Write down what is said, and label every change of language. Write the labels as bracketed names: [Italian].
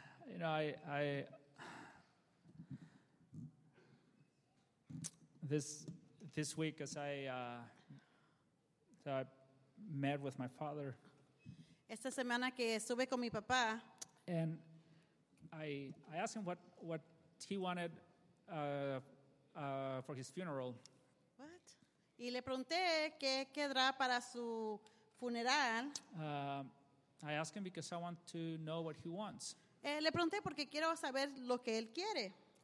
[English] You know, this week, as I met with my father. [Spanish] Esta semana que estuve con mi papá. [English] And I asked him what he wanted for his funeral. What? [Spanish] Y le pregunté qué quedará para su funeral. [English] I asked him because I want to know what he wants. [Spanish] Le pregunté porque quiero saber lo que él quiere.